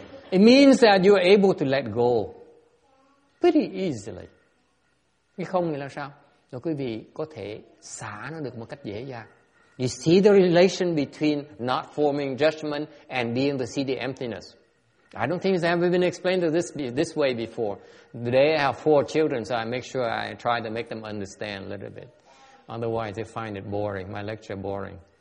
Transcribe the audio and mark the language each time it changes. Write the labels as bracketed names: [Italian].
[English] It means that you are able to let go pretty easily. [Vietnamese] Cái không nghĩa là sao? Rồi quý vị có thể xả nó được một cách dễ dàng. [English] You see the relation between not forming judgment and being to see the emptiness. I don't think it's ever been explained this way before. Today I have 4 children, so I make sure I try to make them understand a little bit. Otherwise, they find it boring, my lecture boring.